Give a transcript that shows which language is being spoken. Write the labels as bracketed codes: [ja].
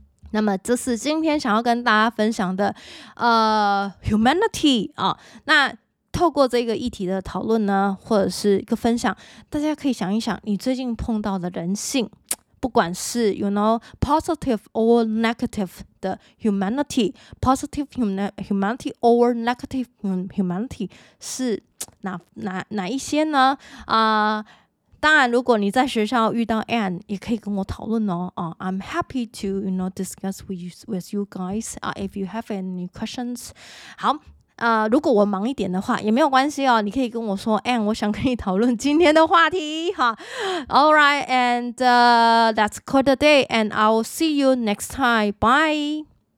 [zh] 那么这是今天想要跟大家分享的humanity 啊，那透过这个议题的讨论呢，或者是一个分享，大家可以想一想你最近碰到的人性，不管是 [en] you know positive or negative [zh] 的 humanity， [en] positive humanity or negative humanity [zh] 是哪一些呢当然，如果你在学校遇到 Anne， 也可以跟我讨论哦。 [en] I'm happy to you know discuss with you guys. If you have any questions， [zh] 好，如果我忙一点的话也没有关系哦，你可以跟我说 Anne， 我想跟你讨论今天的话题哈。 [en] All right, and that's call the day, and I'll see you next time. Bye.